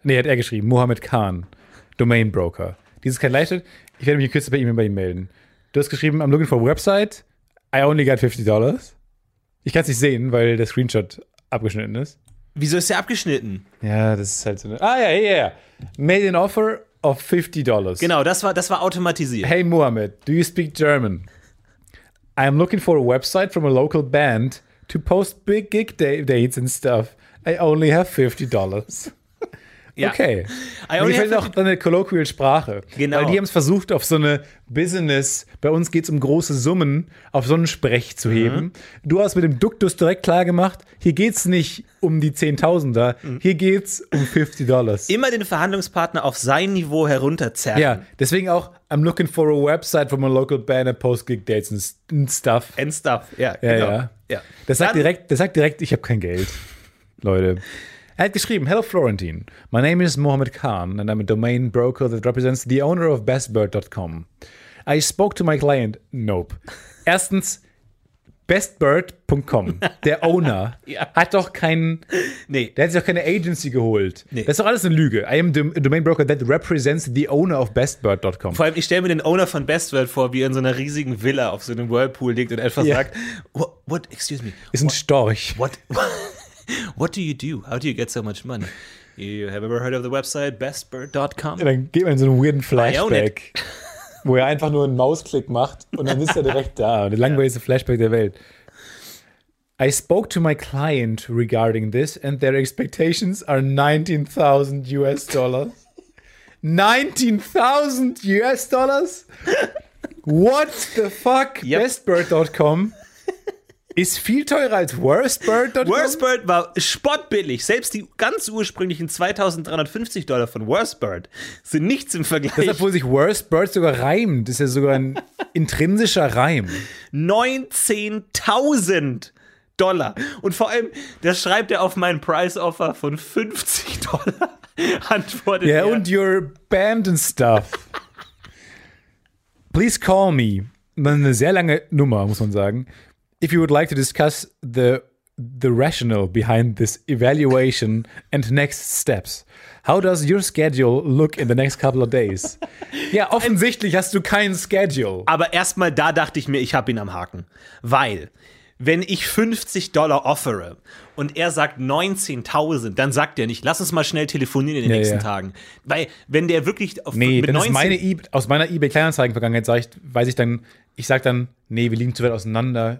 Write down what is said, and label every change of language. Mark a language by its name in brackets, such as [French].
[German] Nee, hat er geschrieben, Mohammed Khan, Domain Broker. Dies ist kein Live-Chat, ich werde mich in Kürze per E-Mail bei ihm melden. Du hast geschrieben, [English] I'm looking for a website, I only got $50. [German] Ich kann es nicht sehen, weil der Screenshot abgeschnitten ist. Wieso ist der abgeschnitten? Ja, das ist halt so eine. Ah, ja, ja, ja. [English] Made an offer of $50. [German] Genau, das war automatisiert. [English] Hey Mohammed, do you speak German? I am looking for a website from a local band to post big gig dates and stuff. I only have $50. [German] Ja. Okay. Mir gefällt auch deine colloquial Sprache. Genau. Weil die haben es versucht, auf so eine Business, bei uns geht es um große Summen, auf so einen Sprech zu heben. Du hast mit dem Duktus direkt klar gemacht, hier geht es nicht um die Zehntausender, hier geht es um $50. Immer den Verhandlungspartner auf sein Niveau herunterzerren. Ja, deswegen auch, [English] I'm looking for a website for my local band and post gig dates and stuff. And stuff, [German] ja, ja genau. Ja. Ja. Das sagt direkt, ich habe kein Geld, Leute. Er hat geschrieben, [English] Hello Florentine, my name is Mohammed Khan and I'm a domain broker that represents the owner of bestbird.com. I spoke to my client, nope. [German] Erstens, bestbird.com, der Owner, hat doch der hat sich auch keine Agency geholt. Nee. Das ist doch alles eine Lüge. [English] I am a domain broker that represents the owner of bestbird.com. [German] Vor allem, ich stelle mir den Owner von Bestbird vor, wie er in so einer riesigen Villa auf so einem Whirlpool liegt und etwas sagt, [English] what, excuse me. [German] Ist ein Storch. [English] What do you do? How do you get so much money? You have ever heard of the website bestbird.com? Ja, dann geht man in so einen weirden Flashback, wo er einfach nur einen Mausklick macht und dann ist er direkt da. Der langweiligste Flashback der Welt. I spoke to my client regarding this and their expectations are $19,000. $19,000? What the fuck? Yep. Bestbird.com? [German] Ist viel teurer als Worstbird.com? Worstbird war spottbillig. Selbst die ganz ursprünglichen $2,350 von Worstbird sind nichts im Vergleich. Das, obwohl sich Worstbird sogar reimt. Das ist ja sogar ein intrinsischer Reim. $19,000. Und vor allem, das schreibt er auf meinen Price-Offer von $50. Antwortet er. Ja, und [English] your band and stuff. Please call me. [German] Eine sehr lange Nummer, muss man sagen. [English] If you would like to discuss the rationale behind this evaluation and next steps, how does your schedule look in the next couple of days? [German] Ja, offensichtlich hast du keinen Schedule. Aber erstmal da dachte ich mir, ich habe ihn am Haken. Weil, wenn ich $50 offere und er sagt 19.000, dann sagt er nicht, lass uns mal schnell telefonieren in den nächsten Tagen. Weil, wenn der wirklich aus meiner eBay-Kleinanzeigen-Vergangenheit, ich sag dann, nee, wir liegen zu weit auseinander.